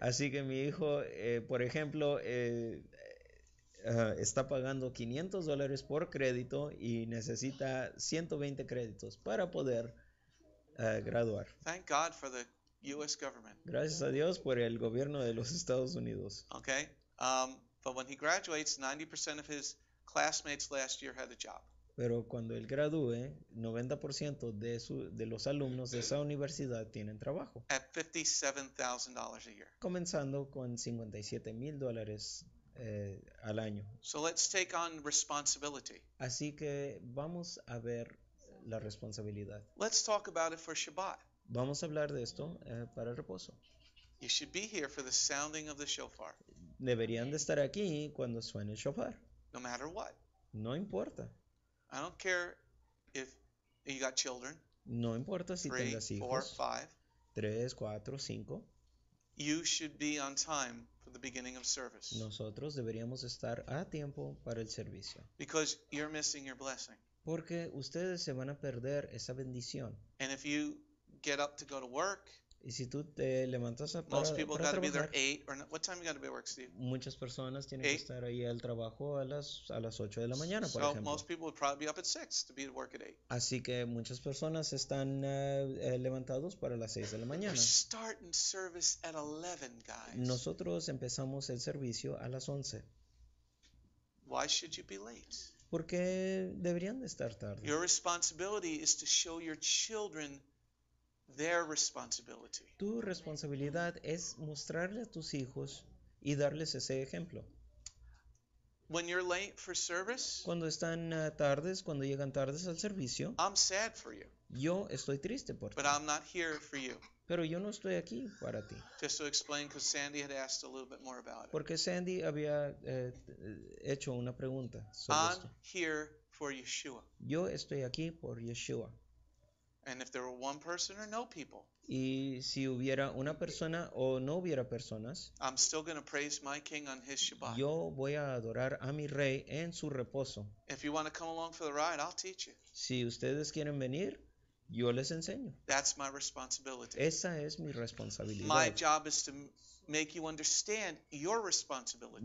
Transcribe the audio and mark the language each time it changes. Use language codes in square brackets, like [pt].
[es] Así que mi hijo, por ejemplo, está pagando $500 por crédito y necesita 120 créditos para poder graduar. [en] Thank God for the U.S. government. [es] Gracias a Dios por el gobierno de los Estados Unidos. [en] Okay. But when he graduates, 90% of his classmates last year had a job. [es] Pero cuando él gradúe, 90% de los alumnos de esa universidad tienen trabajo. [en] At $57,000 a year. [es] Comenzando con $57,000 al año. [en] So let's take on responsibility. [es] Así que vamos a ver la responsabilidad. [en] Let's talk about it for Shabbat. [es] Vamos a hablar de esto para el reposo. [en] You should be here for the sounding of the shofar. [es] Deberían de estar aquí cuando suene el shofar. [en] No matter what. [es] No importa. [en] I don't care if you got children. [es] No importa si [en] three, [es] tengas hijos. [en] Four, five. [es] Tres, cuatro, cinco. [en] You should be on time for the beginning of service. [es] Nosotros deberíamos estar a tiempo para el servicio. [en] Because you're missing your blessing. [es] Porque ustedes se van a perder esa bendición. [en] And if you get up to go to work. [es] Y si tú te levantas para, [en] most people got to be there 8 or not. What time you got to be at work, Steve? [es] Muchas personas tienen [en] eight. [es] Que estar ahí al trabajo a las 8 de la mañana, por [en] so [es] ejemplo. [en] Most people would probably be up at 6 to be at work at 8. [es] Así que muchas personas están levantados para las 6 de la mañana. [en] We're starting service at 11, guys. [es] Nosotros empezamos el servicio a las 11. [en] Why should you be late? [es] ¿Por qué deberían de estar tarde? [en] Your responsibility is to show your children their responsibility. [es] Tu responsabilidad es mostrarle a tus hijos y darles ese ejemplo. [en] When you're late for service, [es] cuando están tardes, cuando llegan tardes al servicio, [en] I'm sad for you. [es] Yo estoy triste por ti. [en] But I'm not here for you. [es] Pero yo no estoy aquí para ti. [en] Just to explain, because Sandy had asked a little bit more about it. [es] Porque Sandy había hecho una pregunta sobre [en] I'm [es] esto. [en] Here for Yeshua. [es] Yo estoy aquí por Yeshua. [en] And if there were one person or no people, [es] y si hubiera una persona o no hubiera personas, [en] I'm still going to praise my king on his Shabbat. [es] Yo voy a adorar a mi rey en su reposo. [en] If you want to come along for the ride, I'll teach you. [es] Si ustedes quieren venir, yo les enseño. [en] That's my responsibility. [es] Esa es mi responsabilidad. [en] My job is to make you understand your responsibility.